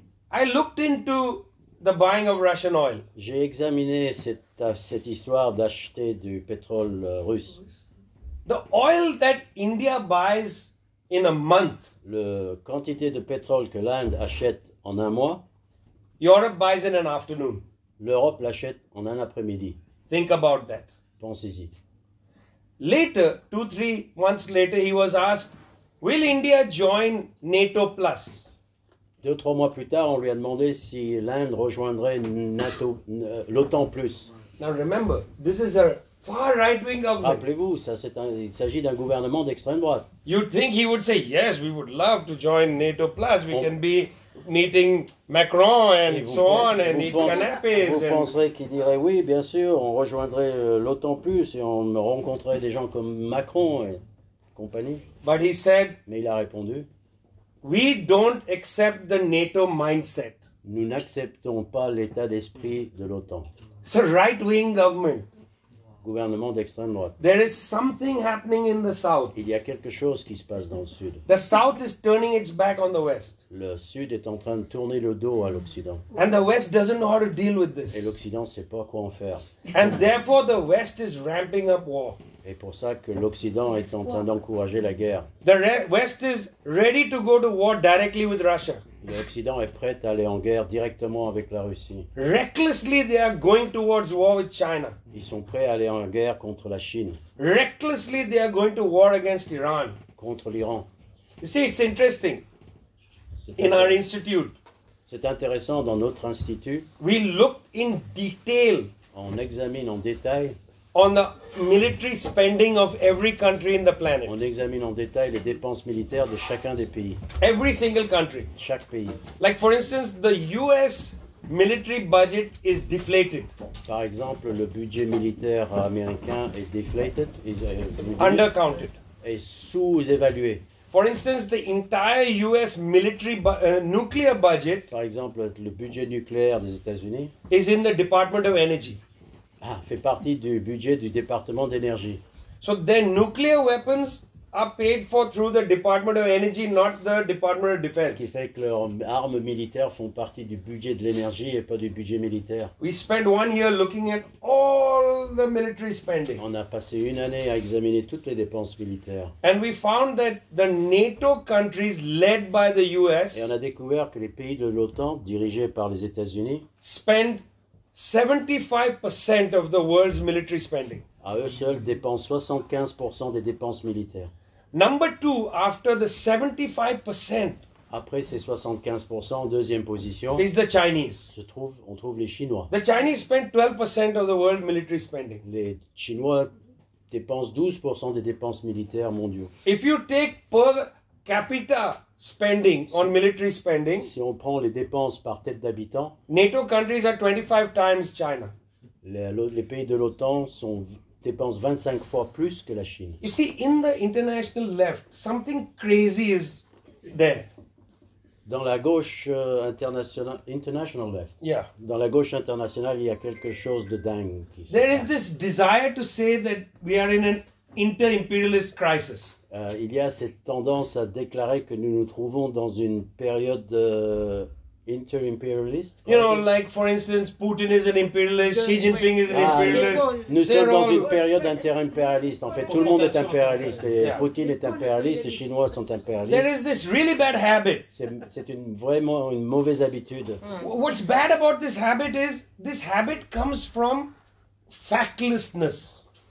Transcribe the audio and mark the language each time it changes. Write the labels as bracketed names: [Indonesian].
[English] I looked into the buying of Russian oil. [French] J'ai examiné cette histoire d'acheter du pétrole russe. [English] The oil that India buys in a month. [French] La quantité de pétrole que l'Inde achète en un mois. [English] Europe buys in an afternoon. [French] L'Europe l'achète en un après-midi. [English] Think about that. [French] Pensez-y. [English] Later, 2-3 months later, he was asked, will India join NATO Plus? [French] 2-3 mois plus tard, on lui a demandé si l'Inde rejoindrait NATO, l'OTAN Plus. [English] Now remember, this is a far right-wing government. [French] Rappelez-vous, il s'agit d'un gouvernement d'extrême droite. [English] You'd think he would say, yes, we would love to join NATO Plus. We can be meeting Macron and so on and eat canapés. [French] Vous penserez qu'il dirait oui, bien sûr, on rejoindrait l'OTAN plus et on rencontrerait des gens comme Macron et compagnie. [English] But he said, [French] mais il a répondu, [English] we don't accept the NATO mindset. [French] Nous n'acceptons pas l'état d'esprit de l'OTAN. [English] It's a right-wing government. [French] Gouvernement d'extrême droite. [English] There is something happening in the south. [French] Il y a quelque chose qui se passe dans le sud. [English] The south is turning its back on the west. [French] Le sud est en train de tourner le dos à l'Occident. [English] And the west doesn't know how to deal with this. [French] Et l'Occident sait pas quoi en faire. [English] And therefore the west is ramping up war. [French] Et pour ça que l'Occident est en train d'encourager la guerre. [English] The west is ready to go to war directly with Russia. [French] L'Occident est prêt à aller en guerre directement avec la Russie. [English] Recklessly they are going towards war with China. [French] Ils sont prêts à aller en guerre contre la Chine. [English] Recklessly they are going to war against Iran. [French] Contre l'Iran. [English] You see, it's interesting. In our institute. [French] C'est intéressant dans notre institut. [English] We looked in detail. [French] On examine en détail. [English] on the military spending of every country in the planet. [French] On examine en détail les dépenses militaires de chacun des pays. [English] Every single country. [French] Chaque pays. [English] Like for instance, the US military budget is deflated. [French] Par exemple, le budget militaire américain est [English] deflated. Undercounted. [French] Est sous-évalué. [English] For instance, the entire US military nuclear budget. [French] Par exemple, le budget nucléaire des États-Unis. [English] Is in the Department of Energy. [French] Fait partie du budget du département d'énergie. [English] So then nuclear weapons are paid for through the Department of Energy, not the Department of Defense. [French] Ce qui fait que leurs armes militaires font partie du budget de l'énergie et pas du budget militaire. [English] We spend one year looking at all the military spending. [French] On a passé une année à examiner toutes les dépenses militaires. [English] And we found that the NATO countries led by the US. [French] Et on a découvert que les pays de l'OTAN, dirigés par les États-Unis, [English] spend 75% of the world's military spending. [French] À eux seuls dépensent 75% des dépenses militaires. [English] Number two, after the 75%. [French] Après ces 75%, en deuxième position. [English] Is the Chinese. [French] On trouve les Chinois. [English] The Chinese spend 12% of the world military spending. [French] Les Chinois dépensent 12% des dépenses militaires mondiaux. [English] If you take per capita spending on military spending. [French] Si on prend les dépenses par tête d'habitant. [English] NATO countries are 25 times China. [French] Les pays de l'OTAN dépensent 25 fois plus que la Chine. [English] You see, in the international left, something crazy is there. [French] Dans la gauche international left. [English] Yeah. [French] Dans la gauche internationale, il y a quelque chose de dingue. [English] There is this desire to say that we are in an inter-imperialist crisis. [French] Il y a cette tendance à déclarer que nous nous trouvons dans une période inter-imperialiste. [English] You know, like for instance, Putin is an imperialist, Xi Jinping is an imperialist. [French] Nous sommes dans une période inter-imperialiste. En fait, tout le monde est impérialiste. Et yeah. Poutine est impérialiste, les Chinois sont impérialistes. [English] There is this really bad habit. [French] C'est une mauvaise habitude. Mm. [English] What's bad about this habit is, this habit comes from factlessness.